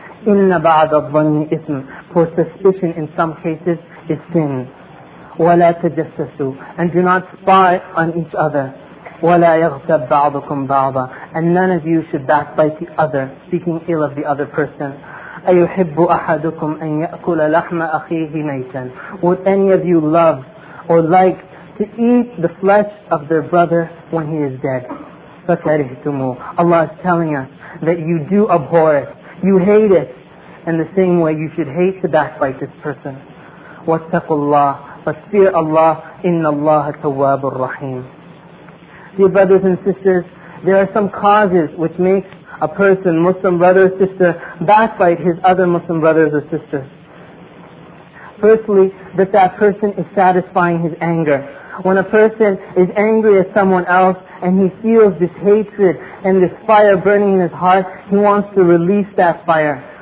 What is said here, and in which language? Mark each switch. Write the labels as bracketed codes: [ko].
[ar] Inna ba'da al-dhani ism. [en] For suspicion in some cases is sin. [ar] وَلَا تَجَسَّسُوا. [en] And do not spy on each other. [ar] وَلَا يَغْتَبْ بَعْضُكُمْ بَعْضًا. [en] And none of you should backbite the other, speaking ill of the other person. [ar] أَيُحِبُّ أَحَدُكُمْ أَن يَأْكُلَ لَحْمَ أَخِيهِ مَيْتًا. [en] Would any of you love or like to eat the flesh of their brother when he is dead? [ar] فَكَرِهْتُمُوا. [en] Allah is telling us that you do abhor it, you hate it, in the same way you should hate to backbite this person. [ar] وَاتَّقُوا اللَّهِ. [en] But fear Allah, [ar] إِنَّ اللَّهَ تَوَّابُ الرَّحِيمُ. [en] Dear brothers and sisters, there are some causes which make a person, Muslim brother or sister, backbite his other Muslim brothers or sisters. Firstly, that person is satisfying his anger. When a person is angry at someone else and he feels this hatred and this fire burning in his heart, he wants to release that fire.